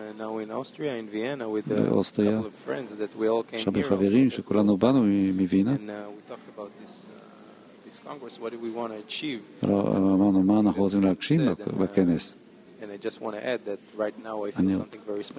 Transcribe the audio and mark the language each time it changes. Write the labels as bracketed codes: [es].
[en] now in Austria, in Vienna, with a couple of friends that we all came here. [he] שבי חברים שכולנו באנו מווינה. [en] We talked about this Congress, what do we want to achieve? [he] אמרנו, מה אנחנו רוצים להגשים בכנס? [en] And I just want to add that right now I feel something very special.